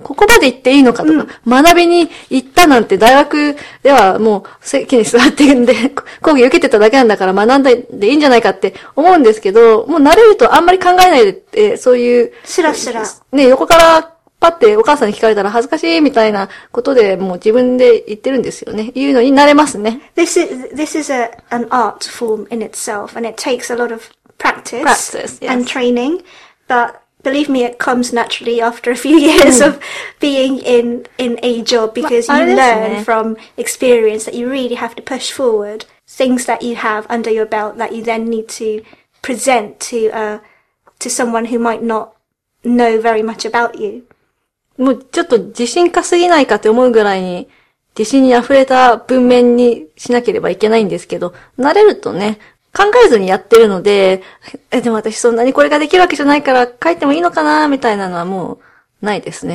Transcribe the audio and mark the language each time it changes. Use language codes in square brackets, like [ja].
[ja] ここまで行っていいのかとか、うん、学びに行ったなんて大学ではもう席に座ってるんで、講義受けてただけなんだから学んでいいんじゃないかって思うんですけど、もう慣れるとあんまり考えないでって、そういう。しらしら。ね、横からパってお母さんに聞かれたら恥ずかしいみたいなことでもう自分で言ってるんですよね。言うのに慣れますね。 [en] This is an art form in itself and it takes a lot ofPractice, yes. And training, but believe me, it comes naturally after a few years of being in a job because you learn from experience that you really have to push forward things that you have under your belt that you then need to present to someone who might not know very much about you. [ja] もうちょっと自信かすぎないかって思うぐらいに自信に溢れた文面にしなければいけないんですけど、慣れるとね、考えずにやってるので、でも私そんなにこれができるわけじゃないから書いてもいいのかなみたいなのはもうないですね。